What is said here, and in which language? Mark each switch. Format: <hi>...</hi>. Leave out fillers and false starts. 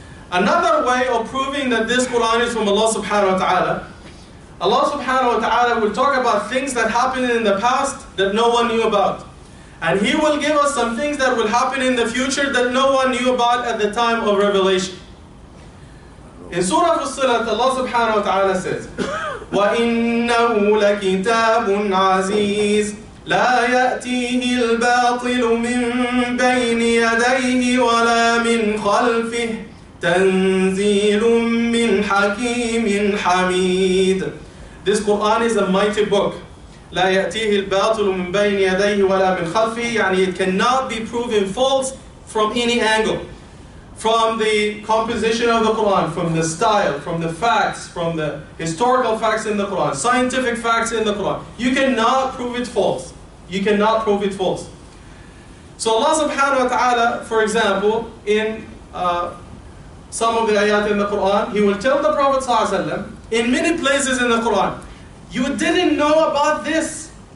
<en>Another way of proving that this Quran is from Allah subhanahu wa ta'ala, Allah subhanahu wa ta'ala will talk about things that happened in the past that no one knew about. And He will give us some things that will happen in the future that no one knew about at the time of revelation. In Surah Fussilat, Allah subhanahu wa ta'ala says,</en> <ar>وَإِنَّهُ لَكِتَابٌ عَزِيزٌ لَا يَأْتِيهِ الْبَاطِلُ مِنْ بَيْنِ يَدَيْهِ وَلَا مِنْ خَلْفِهِ تَنْزِيلٌ مِّنْ حَكِيمٍ حَمِيدٍ.</ar> <en>This Quran is a mighty book.</en> <ar>لَا يَأْتِيهِ الْبَاطِلُ مِنْ بَيْنِ يَدَيْهِ وَلَا مِنْ خَلْفِهِ, يعني</ar> <en>it cannot be proven false from any angle. From the composition of the Quran, from the style, from the facts, from the historical facts in the Quran, scientific facts in the Quran, you cannot prove it false. You cannot prove it false. So Allah subhanahu wa ta'ala, for example, in some of the ayat in the Quran, He will tell the Prophet ﷺ, in many places in the Quran, you didn't know about this.</en>